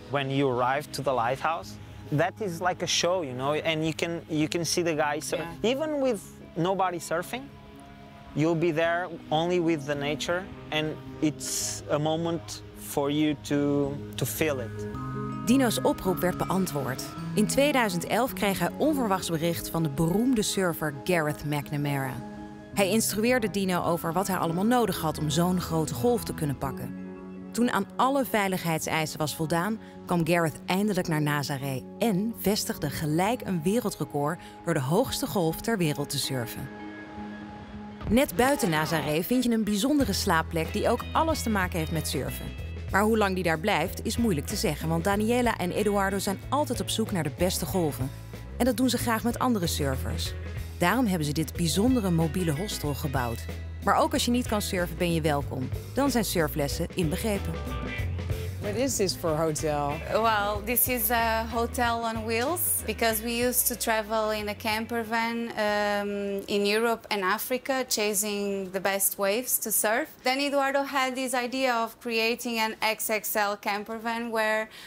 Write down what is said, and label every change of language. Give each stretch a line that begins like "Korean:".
English: When you arrive to the lighthouse, that is like a show, you know, and you can see the guy surf. Yeah. Even with nobody surfing, you'll be there only with the nature, and it's a moment for you to feel it.
Dutch: Dino's oproep werd beantwoord. In 2011 kreeg hij onverwachts bericht van de beroemde surfer Gareth McNamara. Hij instrueerde Dino over wat hij allemaal nodig had om zo'n grote golf te kunnen pakken. Toen aan alle veiligheidseisen was voldaan, kwam Gareth eindelijk naar Nazaré en vestigde gelijk een wereldrecord door de hoogste golf ter wereld te surfen. Net buiten Nazaré vind je een bijzondere slaapplek die ook alles te maken heeft met surfen. Maar hoe lang die daar blijft, is moeilijk te zeggen, want Daniela en Eduardo zijn altijd op zoek naar de beste golven. En dat doen ze graag met andere surfers. Daarom hebben ze dit bijzondere mobiele hostel gebouwd. Maar ook als je niet kan surfen, ben je welkom. Dan zijn surflessen inbegrepen.
English: What is this for hotel? Well, this is a hotel on wheels because we used to travel in a camper van in Europe and Africa, chasing the best waves to surf. Then Eduardo had this idea of creating an XXL camper van where